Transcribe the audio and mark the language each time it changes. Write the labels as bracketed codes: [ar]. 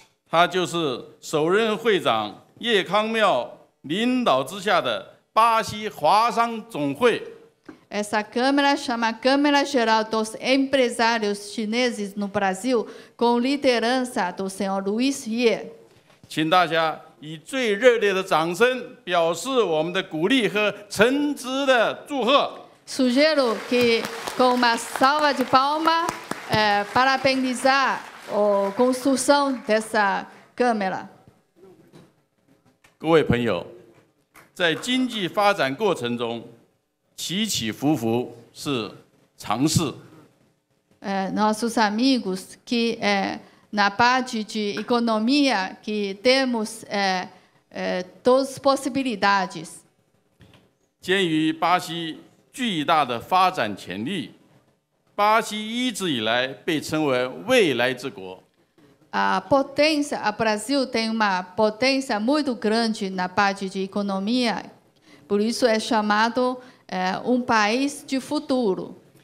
[pt] Ela é o primeiro presidente, Ye Kangmiao, liderando. [zh] 巴西华商总会 [pt] Essa câmara chama Câmara Geral dos Empresários Chineses no Brasil, com liderança do senhor Luiz Ye. [zh] 请大家以最热烈的掌声表示我们的鼓励和诚挚的祝贺。 [pt] Sugiro que com uma salva de palma parabenizar a construção dessa câmara. [zh] 各位朋友。在经济发展过程中，起起伏伏是常事。 [pt] Nossos amigos que na parte de economia que temos todas possibilidades。 [zh] 鉴于巴西巨大的发展潜力，巴西一直以来被称为未来之国。 [pt] A Brasil tem uma potência muito grande na parte de economia, por isso é chamado país de futuro.